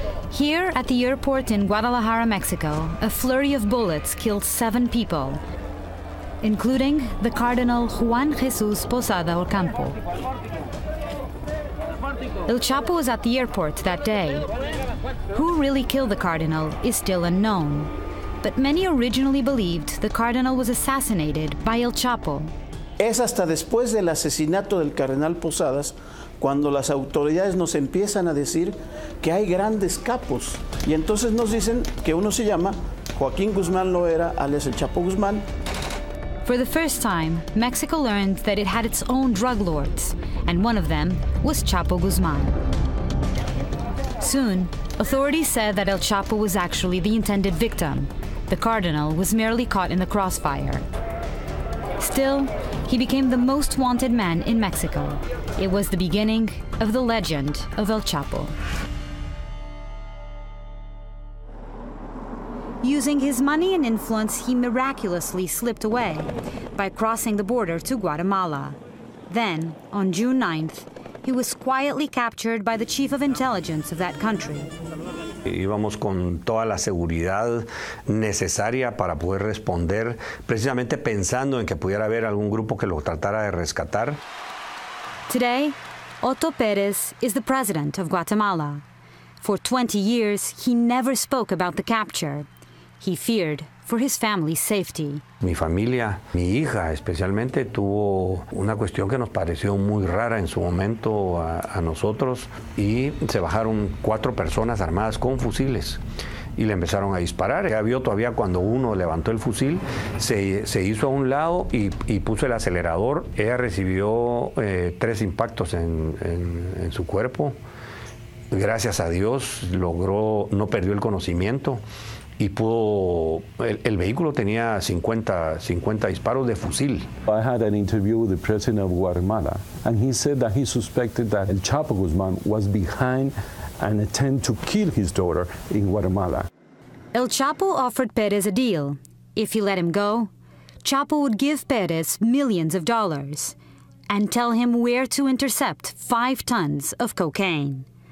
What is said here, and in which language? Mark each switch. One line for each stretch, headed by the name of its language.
English: Here at the airport in Guadalajara, Mexico, a flurry of bullets killed seven people, including the Cardinal Juan Jesus Posada Ocampo. El Chapo was at the airport that day. Who really killed the cardinal is still unknown. But many originally believed the cardinal was assassinated by El Chapo.
Spanish: Es hasta después del asesinato del cardenal Posadas cuando las autoridades nos empiezan a decir que hay grandes capos. Y entonces nos dicen que uno se llama Joaquín Guzmán Loera, alias El Chapo Guzmán.
English: For the first time, Mexico learned that it had its own drug lords, and one of them was Chapo Guzman. Soon, authorities said that El Chapo was actually the intended victim. The cardinal was merely caught in the crossfire. Still, he became the most wanted man in Mexico. It was the beginning of the legend of El Chapo. Using his money and influence, he miraculously slipped away by crossing the border to Guatemala. Then, on June 9th, he was quietly captured by the chief of intelligence of that country.
Spanish: Íbamos con toda la seguridad necesaria para poder responder, precisamente pensando en que pudiera haber algún grupo que lo tratara de rescatar.
English: Today, Otto Pérez is the president of Guatemala. For 20 years, he never spoke about the capture. He feared for his family's safety.
Spanish: Mi familia, mi hija especialmente, tuvo una cuestión que nos pareció muy rara en su momento a nosotros, y se bajaron cuatro personas armadas con fusiles y le empezaron a disparar. Ya vio todavía cuando uno levantó el fusil, se hizo a un lado y puso el acelerador. Ella recibió tres impactos en su cuerpo. Gracias a Dios logró, no perdió el conocimiento. Y pudo, el vehículo tenía 50 disparos de fusil.
English: I had an interview with the president of Guatemala, and he said that he suspected that El Chapo Guzmán was behind an attempt to kill his daughter in Guatemala. El Chapo offered Pérez a deal. If he let him go, Chapo would give Pérez millions of dollars and tell him where to intercept 5 tons of cocaine.